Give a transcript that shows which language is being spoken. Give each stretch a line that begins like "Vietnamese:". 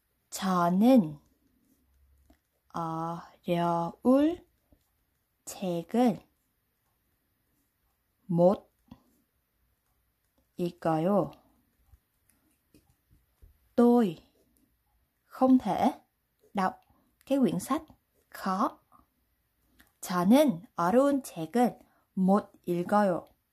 Korean: 저는 어려울 책을 못 읽어요.
Vietnamese: Tôi không thể đọc cái quyển sách khó.
Korean: 저는 어려운 책을 못 읽어요.